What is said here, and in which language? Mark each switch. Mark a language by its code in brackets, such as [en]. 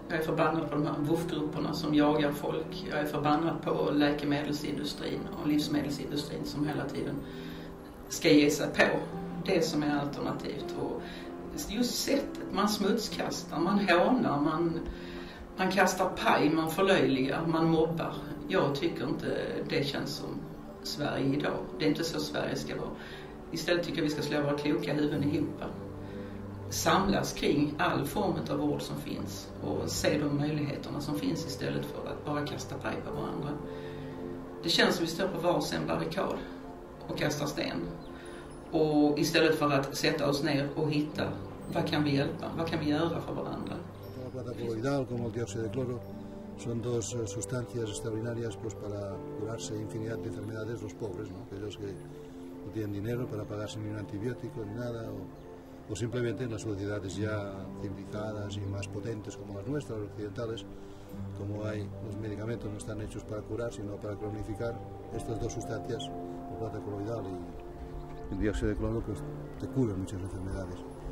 [sv] Jag är förbannad på de här WUF-grupperna som jagar folk. Jag är förbannad på läkemedelsindustrin och livsmedelsindustrin som hela tiden ska ge sig på det som är alternativt. Och just sättet, man smutskastar, man hånar, man... Man kastar paj, man förlöjligar, man mobbar. Jag tycker inte det känns som Sverige idag. Det är inte så Sverige ska vara. Istället tycker jag vi ska slå våra kloka huvuden ihop. Samlas kring all form av vård som finns. Och se de möjligheterna som finns istället för att bara kasta paj på varandra. Det känns som vi står på varsin barrikad och kastar sten. Och istället för att sätta oss ner och hitta, vad kan vi hjälpa? Vad kan vi göra för varandra? [es] Como el dióxido de cloro son dos sustancias extraordinarias pues para curarse infinidad de enfermedades los pobres, ¿no? Aquellos que no tienen dinero para pagarse ni un antibiótico ni nada o simplemente en las sociedades ya civilizadas y más potentes como las nuestras, las occidentales, como hay los medicamentos no están hechos para curar sino para cronificar, estas dos sustancias, la plata coloidal y el dióxido de cloro, pues te curan muchas enfermedades.